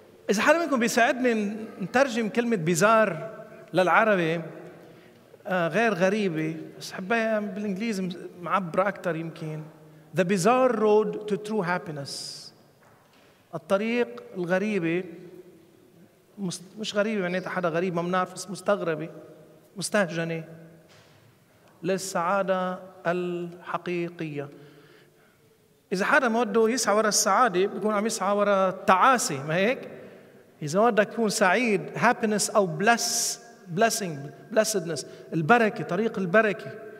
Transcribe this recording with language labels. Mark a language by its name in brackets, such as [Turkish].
[Arabic] إذا حدا منكم بيساعدني نترجم كلمة بيزار للعربي، غير غريبة بس حبايا بالإنجليزي معبرة أكتر يمكن. [English] The bizarre road to true happiness. [Arabic] الطريق الغريبة، مش غريبة معناتها حدا غريب ما منعرف، مستغربة مستهجنة للسعادة الحقيقية. إذا حدا ما بده يسعى وراء السعادة بيكون عم يسعى وراء التعاسة، ما هيك؟ إذا بدك تكون سعيد، happiness أو [English] blessing blessedness، [Arabic] البركة، طريق البركة.